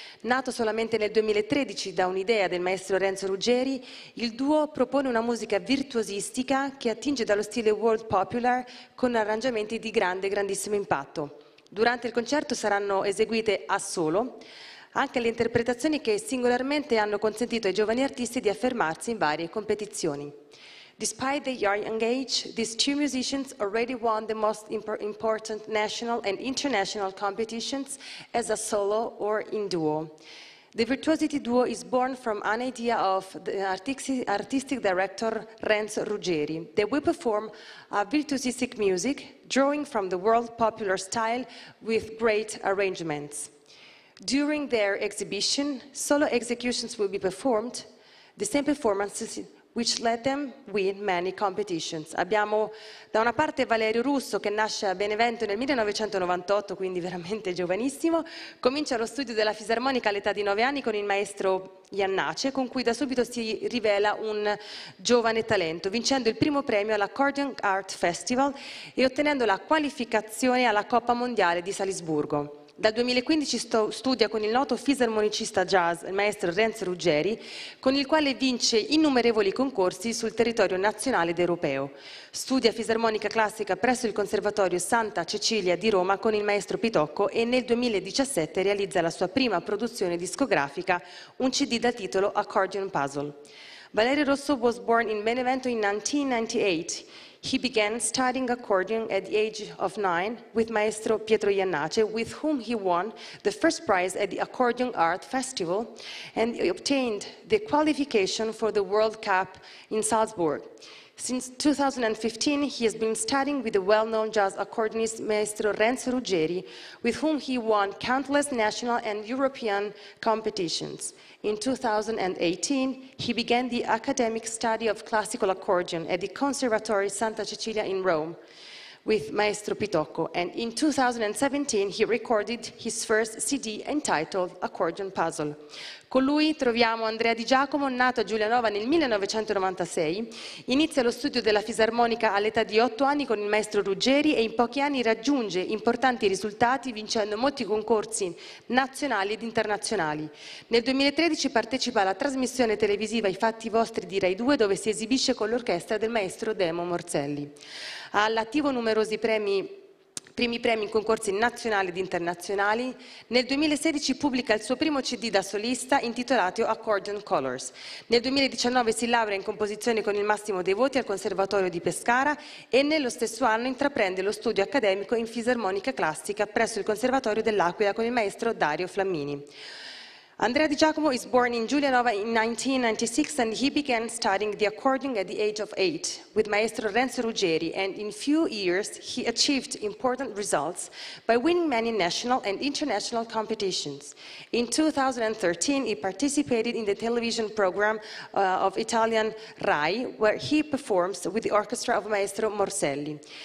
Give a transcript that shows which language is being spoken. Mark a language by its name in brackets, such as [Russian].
[Italian] Nato solamente nel 2013 da un'idea del maestro Renzo Ruggeri, il duo propone una musica virtuosistica che attinge dallo stile world popular con arrangiamenti di grandissimo impatto. Durante il concerto saranno eseguite a solo anche le interpretazioni che singolarmente hanno consentito ai giovani artisti di affermarsi in varie competizioni. [English] Despite their young age, these two musicians already won the most important national and international competitions as a solo or in duo. The Virtuosity Duo is born from an idea of the artistic director Renzo Ruggeri, that we perform a virtuosistic music drawing from the world popular style with great arrangements. During their exhibition, solo executions will be performed, the same performances which let them win many competitions. [Italian] Abbiamo da una parte Valerio Russo, che nasce a Benevento nel 1998, quindi veramente giovanissimo, comincia lo studio della fisarmonica all'età di 9 anni con il maestro Iannace, con cui da subito si rivela un giovane talento, vincendo il primo premio all'Accordion Art Festival e ottenendo la qualificazione alla Coppa Mondiale di Salisburgo. Dal 2015 studia con il noto fisarmonicista jazz, il maestro Renzo Ruggeri, con il quale vince innumerevoli concorsi sul territorio nazionale ed europeo. Studia fisarmonica classica presso il Conservatorio Santa Cecilia di Roma con il maestro Pitocco e nel 2017 realizza la sua prima produzione discografica, un CD dal titolo Accordion Puzzle. [English] Valerio Rosso was born in Benevento in 1998. He began studying accordion at the age of 9 with Maestro Pietro Iannace, with whom he won the first prize at the Accordion Art Festival and obtained the qualification for the World Cup in Salzburg. Since 2015, he has been studying with the well-known jazz accordionist Maestro Renzo Ruggeri, with whom he won countless national and European competitions. In 2018, he began the academic study of classical accordion at the Conservatory Santa Cecilia in Rome with Maestro Pitocco. And in 2017, he recorded his first CD entitled Accordion Puzzle. [Italian] Con lui troviamo Andrea Di Giacomo, nato a Giulianova nel 1996. Inizia lo studio della fisarmonica all'età di 8 anni con il maestro Ruggeri e in pochi anni raggiunge importanti risultati vincendo molti concorsi nazionali ed internazionali. Nel 2013 partecipa alla trasmissione televisiva I Fatti Vostri di Rai 2, dove si esibisce con l'orchestra del maestro Demo Morzelli. Ha all'attivo numerosi premi, primi premi in concorsi nazionali ed internazionali. Nel 2016 pubblica il suo primo CD da solista intitolato Accordion Colors. Nel 2019 si laurea in composizione con il massimo dei voti al Conservatorio di Pescara e nello stesso anno intraprende lo studio accademico in fisarmonica classica presso il Conservatorio dell'Aquila con il maestro Dario Flammini. [English] Andrea Di Giacomo is born in Giulianova in 1996 and he began studying the accordion at the age of 8 with Maestro Renzo Ruggeri, and in few years he achieved important results by winning many national and international competitions. In 2013 he participated in the television program of Italian Rai where he performs with the orchestra of Maestro Morzelli.